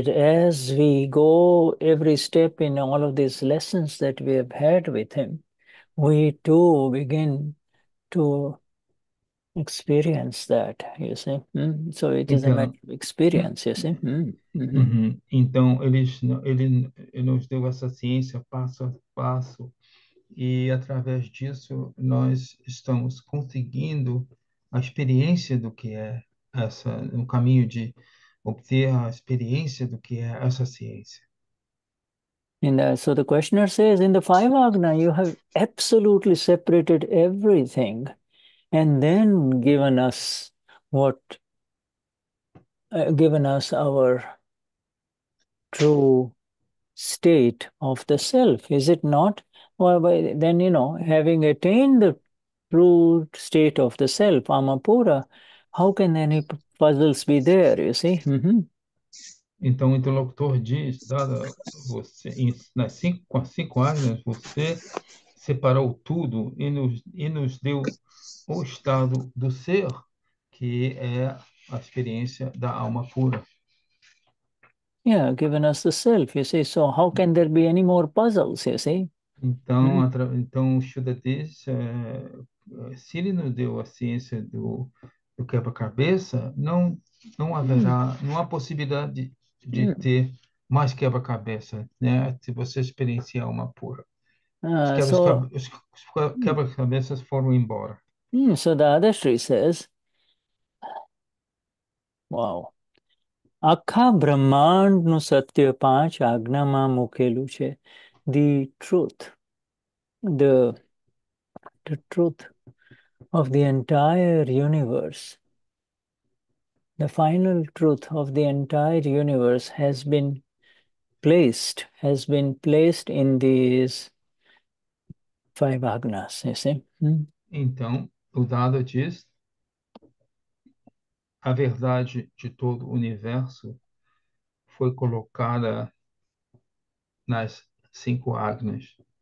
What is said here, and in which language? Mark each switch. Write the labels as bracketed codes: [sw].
[en] It as we go every step in all of these lessons that we have had with him, we too begin to experience that, you see. So it is a matter of experience, you see. [pt] Então, ele nos deu essa ciência passo a passo, e através disso nós estamos conseguindo a experiência do que é essa, no caminho de obter a experiência do que é essa ciência. [en] So the questioner says, in the five Agna, you have absolutely separated everything and then given us our true state of the self. Is it not? Well, then, having attained the true state of the self, Amapura, how can any puzzles be there, you see? [pt] Então, o interlocutor diz, dada você, com as cinco asas, você separou tudo e nos deu o estado do ser, que é a experiência da alma pura. [en] Yeah, given us the self, you see. So how can there be any more puzzles, you see? [pt] Então, o Shuddha diz, se ele nos deu a ciência do quebra-cabeça, não há possibilidade de ter mais quebra-cabeça, né? Se você experienciar uma pura. Os quebra-cabeças foram embora. [en] So the other tree says, [gu] Akha Brahman no Satya Panch Agnama Mukheluche, [en] the truth of the entire universe, the final truth of the entire universe has been placed in these five Agnas, you see? [pt] Então, o Dada diz: a verdade de todo o universo foi colocada nas cinco Agnas.